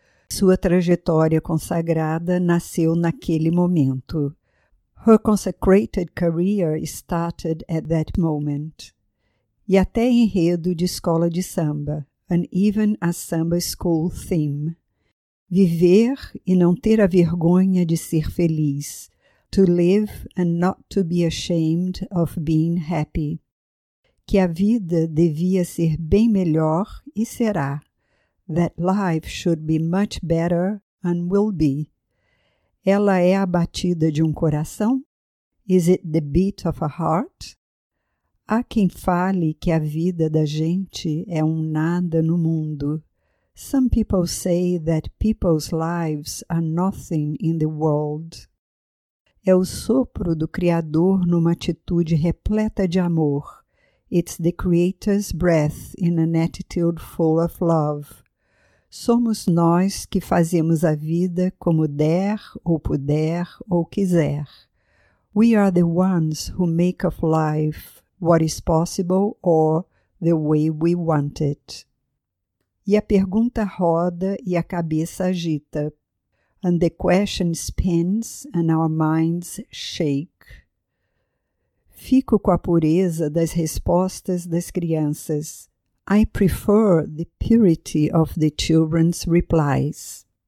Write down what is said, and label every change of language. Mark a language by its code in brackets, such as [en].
[pt] Sua trajetória consagrada nasceu naquele momento. [en] Her consecrated career started at that moment. [pt] E até enredo de escola de samba, [en] an even a samba school theme. [pt] Viver e não ter a vergonha de ser feliz. [en] To live and not to be ashamed of being happy. [pt] Que a vida devia ser bem melhor e será. [en] That life should be much better and will be. [pt] Ela é a batida de um coração? [en] Is it the beat of a heart? [pt] Há quem fale que a vida da gente é um nada no mundo. [en] Some people say that people's lives are nothing in the world. [pt] É o sopro do Criador numa atitude repleta de amor. [en] It's the Creator's breath in an attitude full of love. [pt] Somos nós que fazemos a vida como der, ou puder, ou quiser. [en] We are the ones who make of life what is possible or the way we want it. [pt] E a pergunta roda e a cabeça agita. [en] And the question spins and our minds shake. [pt] Fico com a pureza das respostas das crianças. [en] I prefer the purity of the children's replies.